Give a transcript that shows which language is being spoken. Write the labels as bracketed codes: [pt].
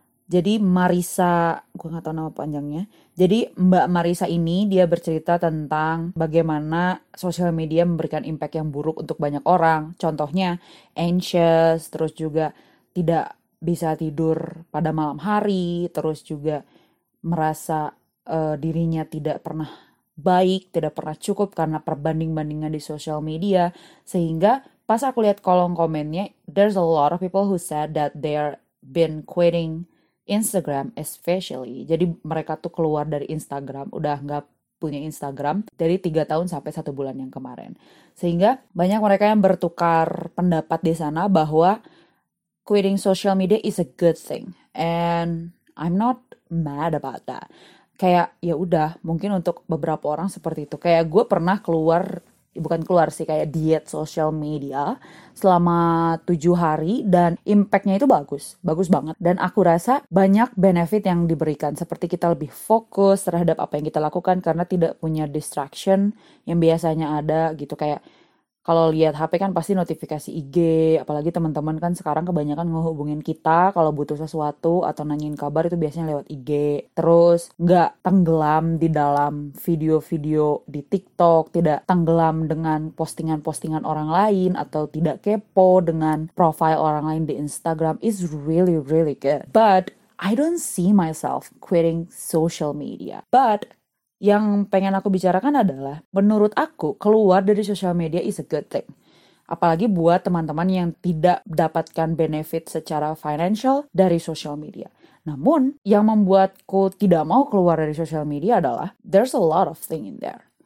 [id] Jadi Marissa, gue gak tahu nama panjangnya. Jadi Mbak Marissa ini dia bercerita tentang bagaimana sosial media memberikan impact yang buruk untuk banyak orang. Contohnya anxious, terus juga tidak bisa tidur pada malam hari, terus juga merasa dirinya tidak pernah baik, tidak pernah cukup karena perbanding-bandingan di sosial media. Sehingga pas aku lihat kolom komennya, [en] there's a lot of people who said that they're been quitting Instagram especially. [id] Jadi mereka tuh keluar dari Instagram, udah gak punya Instagram dari 3 tahun sampai 1 bulan yang kemarin. Sehingga banyak mereka yang bertukar pendapat di sana bahwa [en] quitting social media is a good thing. And I'm not mad about that. [id] Kayak ya udah, mungkin untuk beberapa orang seperti itu. Kayak gue pernah keluar, bukan keluar sih, kayak diet social media selama 7 hari dan impact-nya itu bagus, bagus banget. Dan aku rasa banyak benefit yang diberikan, seperti kita lebih fokus terhadap apa yang kita lakukan karena tidak punya distraction yang biasanya ada gitu. Kayak kalau lihat HP kan pasti notifikasi IG, apalagi teman-teman kan sekarang kebanyakan ngehubungin kita kalau butuh sesuatu atau nanyain kabar itu biasanya lewat IG. Terus nggak tenggelam di dalam video-video di TikTok, tidak tenggelam dengan postingan-postingan orang lain atau tidak kepo dengan profile orang lain di Instagram. [en] It's really, really good. But I don't see myself quitting social media. [id] But yang pengen aku bicarakan adalah, menurut aku, keluar dari social media [en] is a good thing. [id] Apalagi buat teman-teman yang tidak dapatkan benefit secara financial dari social media. Namun, yang membuatku tidak mau keluar dari social media adalah, [en] there's a lot of thing in there.